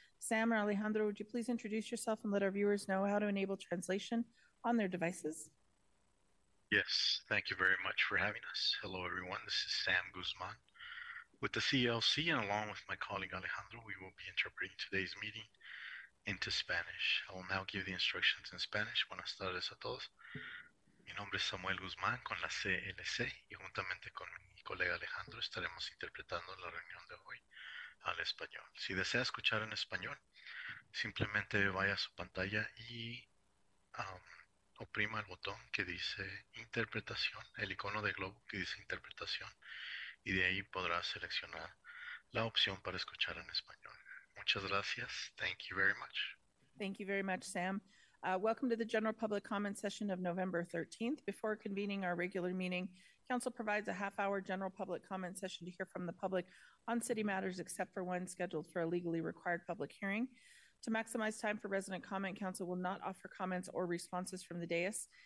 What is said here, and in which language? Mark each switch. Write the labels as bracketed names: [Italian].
[English] Sam or Alejandro, would you please introduce yourself and let our viewers know how to enable translation on their devices? Yes, thank you very much for having us. Hello, everyone. This is Sam Guzman with the CLC, and along with my colleague Alejandro, we will be interpreting today's meeting into Spanish. I will now give the instructions in Spanish. [Spanish] Buenas tardes a todos. Mi nombre es Samuel Guzmán con la CLC y juntamente con mi colega Alejandro estaremos interpretando la reunión de hoy al español. Si desea escuchar en español, simplemente vaya a su pantalla y oprima el botón que dice interpretación, el icono de globo que dice interpretación, y de ahí podrá seleccionar la opción para escuchar en español. Muchas gracias. [English] Thank you very much. Thank you very much, Sam. Welcome to the general public comment session of November 13th. Before convening our regular meeting, Council provides a half-hour general public comment session to hear from the public on city matters except for one scheduled for a legally required public hearing. To maximize time for resident comment, Council will not offer comments or responses from the dais.